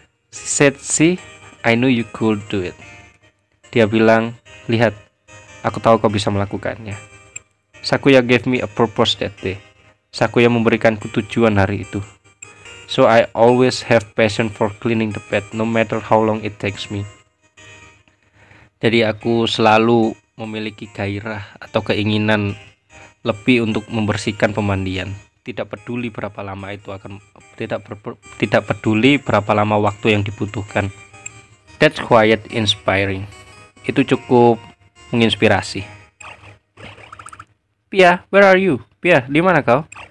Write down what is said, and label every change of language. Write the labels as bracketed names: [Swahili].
[English] She said, "See, I knew you could do it." [Indonesian] Dia bilang, "Lihat, aku tahu kau bisa melakukannya." [English] Sakuya gave me a purpose that day. [Indonesian] Sakuya memberikanku tujuan hari itu. [English] So I always have passion for cleaning the bed, no matter how long it takes me. [Indonesian] Jadi aku selalu memiliki gairah atau keinginan lebih untuk membersihkan pemandian. Tidak peduli berapa lama waktu yang dibutuhkan. [English] That's quite inspiring. [Indonesian] Itu cukup menginspirasi. [English] Pia, where are you? Pia, [Indonesian] di mana kau?